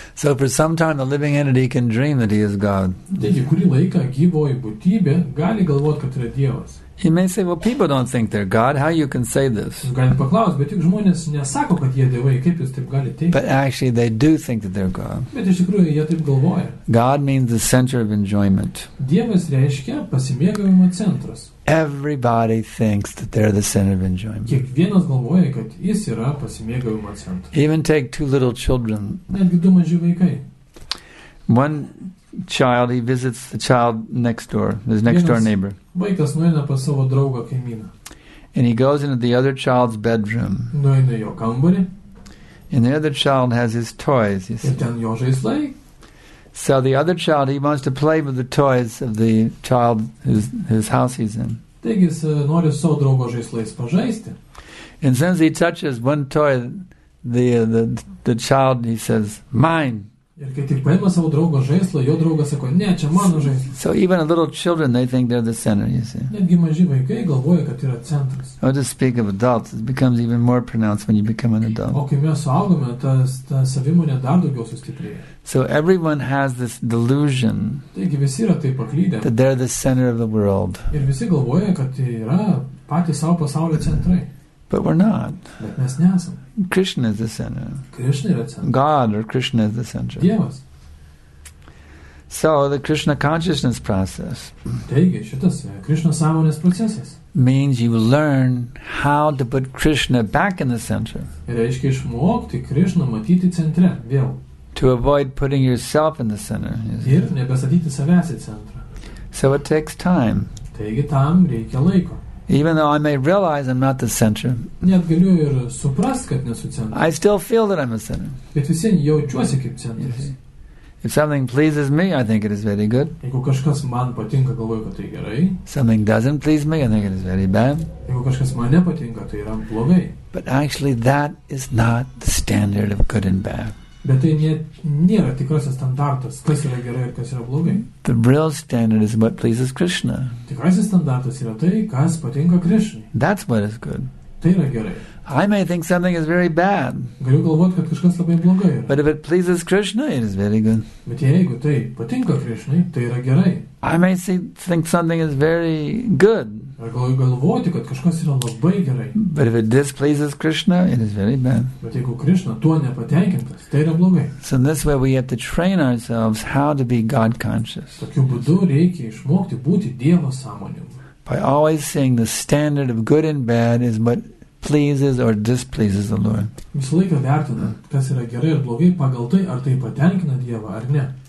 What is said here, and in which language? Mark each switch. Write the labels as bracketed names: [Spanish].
[English] So for some time the living entity can dream that he is God. [Lithuanian] Taigi, kurį laiką gyvoji būtybė gali galvot, kad yra Dievas. [English] He may say, well, people don't think they're God. How you can say this? [Lithuanian] Galit paklaus, bet juk žmonės nesako, kad jie dievai. Kaip jūs taip gali teikti? [English] But actually, they do think that they're God. [Lithuanian] Bet iš tikrųjų, jie taip galvoja. [English] God means the center of enjoyment. [Lithuanian] Dievas reiškia pasimėgavimo centras. [English] Everybody thinks that they're the center of enjoyment. [Lithuanian] Kiekvienas galvoja, kad jis yra pasimėgavimo centras. [English] Even take two little children. [Lithuanian] Netgi du maži vaikai. [English] One child, he visits the child next door, his next door neighbor. [Lithuanian] Vaikas nueina pas savo draugą kaimyną. [English] And he goes into the other child's bedroom. [Lithuanian] Nueina jo kambarį. [English] And the other child has his toys. [Lithuanian] Ir ten jo žaislai. [English] So the other child, he wants to play with the toys of the child whose house he's in. [Lithuanian] Taigi jis nori savo draugo žaislais pažaisti. [English] And since he touches one toy, the child, he says, mine. [Lithuanian] Ir kai tik paima savo draugo žaislą, jo draugas sako, ne, čia mano žaislas. [English] So even a little children, they think they're the center, you see. [Lithuanian] Netgi maži vaikai galvoja, kad yra centras. [English] Or to speak of adults, it becomes even more pronounced when you become an adult. [Lithuanian] O kai mes suaugome, ta savimonė dar daugiau sustiprėja. [English] So everyone has this delusion. [Lithuanian] Taigi visi yra taip paklydę. [English] That they're the center of the world. [Lithuanian] Ir visi galvoja, kad yra patys savo pasaulio centrai. [English] But we're not. [Lithuanian] Bet mes nesam. [English] Krishna is the center. [Lithuanian] Krishna yra centras. [English] God or Krishna is the center. [Lithuanian] Dievas. [English] So the Krishna consciousness process. [Lithuanian] Taigi, šitas Krishna sąmonės procesas. [English] Means you learn how to put Krishna back in the center. [Lithuanian] Reiškia išmokti Krishna matyti centre vėl. [English] To avoid putting yourself in the center. [Lithuanian] Ir nebestatyti savęs į centrą. [English] So it takes time. [Lithuanian] Taigi, tam reikia laiko. [English] Even though I may realize I'm not the center, [Lithuanian] net galiu ir suprast, kad nesu centras, [English] I still feel that I'm a center. [Lithuanian] Bet visi jaučiuosi kaip centras. [English] If something pleases me, I think it is very good. [Lithuanian] Jeigu kažkas man patinka, galvoju, kad tai gerai. [English] Something doesn't please me, I think it is very bad. [Lithuanian] Jeigu kažkas man nepatinka, tai yra blogai. [English] But actually, that is not the standard of good and bad. [Lithuanian] Bet tai nėra tikrasis standartas, kas yra gerai ir kas yra blogai. [English] The real standard is what pleases Krishna. [Lithuanian] Tikrasis standartas yra tai, kas patinka Krishnai. [English] That's what is good. [Lithuanian] Tai yra gerai. [English] I may think something is very bad. [Lithuanian] Galiu galvoti, kad kažkas labai blogai yra. [English] But if it pleases Krishna, it is very good. [Lithuanian] Bet jeigu tai patinka Krishnai, tai yra gerai. [English] I may think something is very good. [Lithuanian] Ar galiu galvoti, kad kažkas yra labai gerai. [English] But if it displeases Krishna, it is very bad. [Lithuanian] Bet jeigu Krishna tuo nepatenkintas, tai yra blogai. [English] So in this way we have to train ourselves how to be God conscious. [Lithuanian] Tokiu būdu reikia išmokti būti Dievo sąmoningu. [English] By always seeing the standard of good and bad is what pleases or displeases the Lord. [Lithuanian] Visą laiką vertina, kas yra gerai ir blogai pagal tai, ar tai patenkina Dievą ar ne.